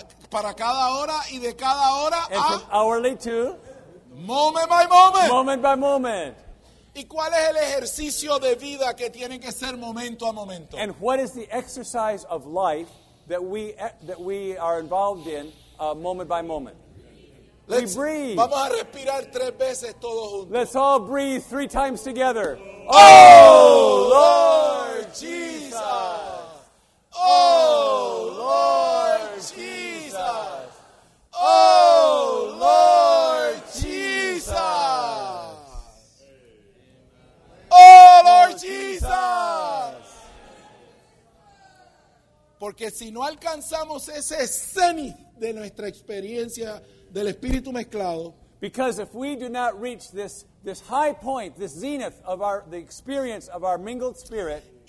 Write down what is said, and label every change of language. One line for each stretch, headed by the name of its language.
Spanish: Para cada hora y de cada hora
English: and a. From hourly to. Moment by moment. Moment by moment.
Spanish: ¿Y cuál es el ejercicio de vida que tiene que ser momento a momento?
English: And what is the exercise of life that we are involved in moment by moment. Let's, we breathe.
Spanish: Vamos a respirar tres veces todos juntos.
English: Let's all breathe three times together. Oh, Lord Jesus.
Spanish: Porque si no alcanzamos ese cenit de nuestra experiencia del espíritu mezclado,
English: because if we do not reach this high point, this zenith of the experience of our mingled spirit,